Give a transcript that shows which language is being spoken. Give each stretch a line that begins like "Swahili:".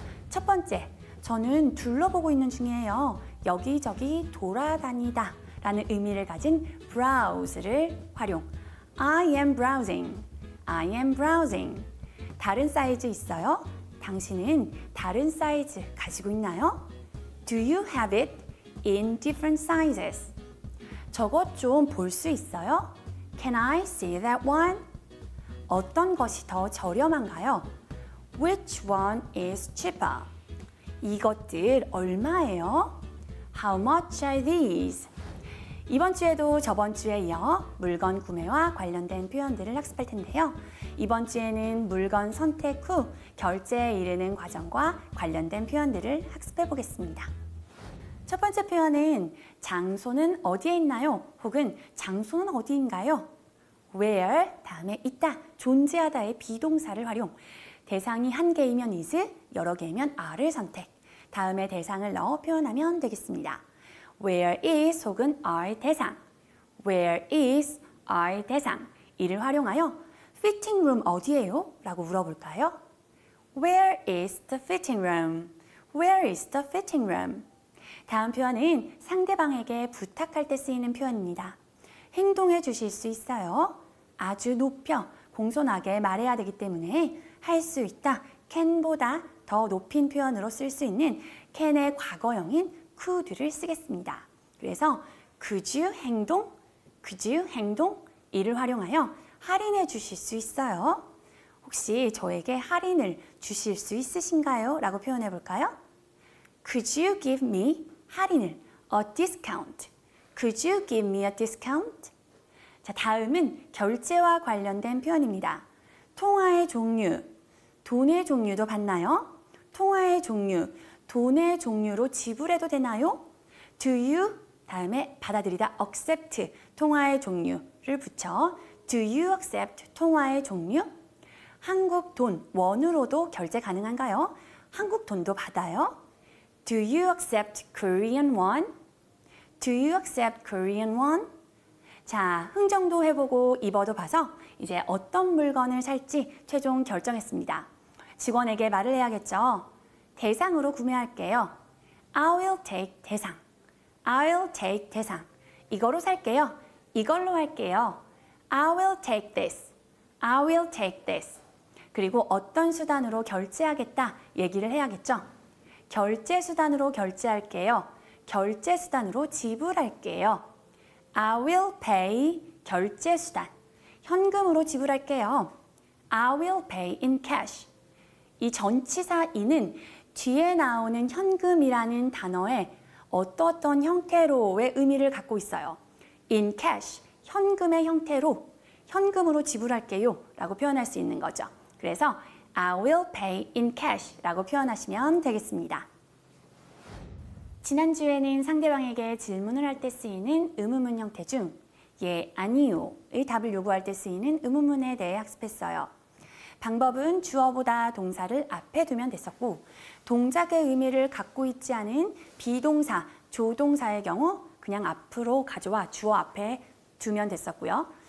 Korean: 첫 번째, 저는 둘러보고 있는 중이에요. 여기저기 돌아다니다 라는 의미를 가진 browse를 활용.
English: I am browsing. I am browsing.
Korean: 다른 사이즈 있어요? 당신은 다른 사이즈 가지고 있나요?
English: Do you have it in different sizes?
Korean: 저것 좀 볼 수 있어요?
English: Can I see that one?
Korean: 어떤 것이 더 저렴한가요?
English: Which one is cheaper?
Korean: 이것들 얼마예요?
English: How much are these?
Korean: 이번 주에도 저번 주에 이어 물건 구매와 관련된 표현들을 학습할 텐데요. 이번 주에는 물건 선택 후 결제에 이르는 과정과 관련된 표현들을 학습해 보겠습니다. 첫 번째 표현은 장소는 어디에 있나요? 혹은 장소는 어디인가요? Where 다음에 있다, 존재하다의 비동사를 활용. 대상이 한 개이면 is, 여러 개이면 are를 선택. 다음에 대상을 넣어 표현하면 되겠습니다.
English: Where is 혹은 are 대상. Where is are 대상.
Korean: 이를 활용하여 fitting room 어디예요? 라고 물어볼까요?
English: Where is the fitting room? Where is the fitting room?
Korean: 다음 표현은 상대방에게 부탁할 때 쓰이는 표현입니다. 행동해 주실 수 있어요? 아주 높여 공손하게 말해야 되기 때문에 할 수 있다, can보다 더 높인 표현으로 쓸 수 있는 can의 과거형인 could를 쓰겠습니다. 그래서 could you 행동?
English: Could you 행동?
Korean: 이를 활용하여 할인해 주실 수 있어요? 혹시 저에게 할인을 주실 수 있으신가요? 라고 표현해 볼까요?
English: Could you give me 할인을, a discount? Could you give me a discount?
Korean: 자, 다음은 결제와 관련된 표현입니다. 통화의 종류, 돈의 종류도 받나요? 통화의 종류, 돈의 종류로 지불해도 되나요? Do you, 다음에 받아들이다, accept, 통화의 종류를 붙여
English: Do you accept
Korean: 통화의 종류? 한국 돈, 원으로도 결제 가능한가요? 한국 돈도 받아요?
English: Do you accept Korean won? Do you accept Korean won?
Korean: 자, 흥정도 해보고 입어도 봐서 이제 어떤 물건을 살지 최종 결정했습니다. 직원에게 말을 해야겠죠. 대상으로 구매할게요.
English: I'll take
Korean: 대상.
English: I'll take
Korean: 대상. 이거로 살게요. 이걸로 할게요.
English: I will take this. I will take this.
Korean: 그리고 어떤 수단으로 결제하겠다 얘기를 해야겠죠. 결제 수단으로 결제할게요. 결제 수단으로 지불할게요.
English: I will pay 결제 수단.
Korean: 현금으로 지불할게요.
English: I will pay in cash.
Korean: 이 전치사 in은 뒤에 나오는 현금이라는 단어의 어떠어떤 형태로의 의미를 갖고 있어요. In cash, 현금의 형태로, 현금으로 지불할게요 라고 표현할 수 있는 거죠. 그래서
English: I will pay in cash
Korean: 라고 표현하시면 되겠습니다. 지난주에는 상대방에게 질문을 할 때 쓰이는 의문문 형태 중 예, 아니요의 답을 요구할 때 쓰이는 의문문에 대해 학습했어요. 방법은 주어보다 동사를 앞에 두면 됐었고, 동작의 의미를 갖고 있지 않은 비동사, 조동사의 경우 그냥 앞으로 가져와 주어 앞에 두면 됐었고요.